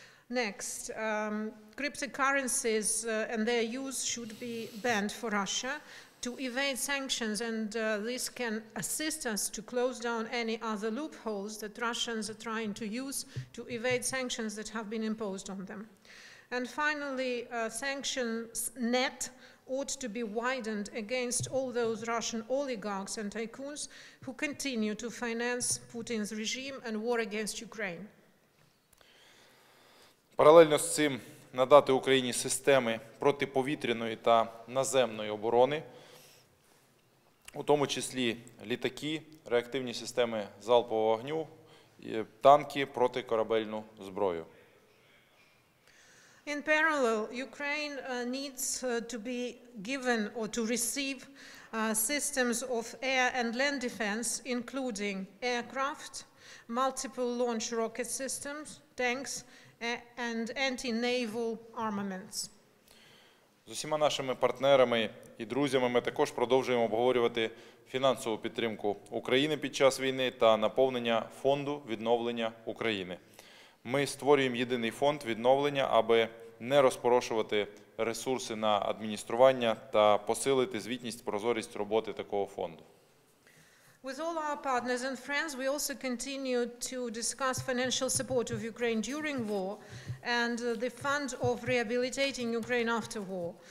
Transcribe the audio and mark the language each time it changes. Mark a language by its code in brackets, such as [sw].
[en] Next, cryptocurrencies and their use should be banned for Russia to evade sanctions, and this can assist us to close down any other loopholes that Russians are trying to use to evade sanctions that have been imposed on them. And finally, sanctions net ought to be widened against all those Russian oligarchs and tycoons who continue to finance Putin's regime and war against Ukraine. [uk] Паралельно з цим надати Україні системи протиповітряної та наземної оборони, у тому числі літаки, реактивні системи залпового вогню, танки, протикорабельну зброю. [en] In parallel, Ukraine needs to be given or to receive systems of air and land defense, including aircraft, multiple launch rocket systems, tanks and anti-naval armaments. [uk] З усіма нашими партнерами і друзями ми також продовжуємо обговорювати фінансову підтримку України під час війни та наповнення фонду відновлення України. Ми створюємо єдиний фонд відновлення, аби не розпорошувати ресурси на адміністрування та посилити звітність, прозорість роботи такого фонду. [en] With all our partners and friends, we also continue to discuss financial support of Ukraine during war and the fund of rehabilitating Ukraine after war.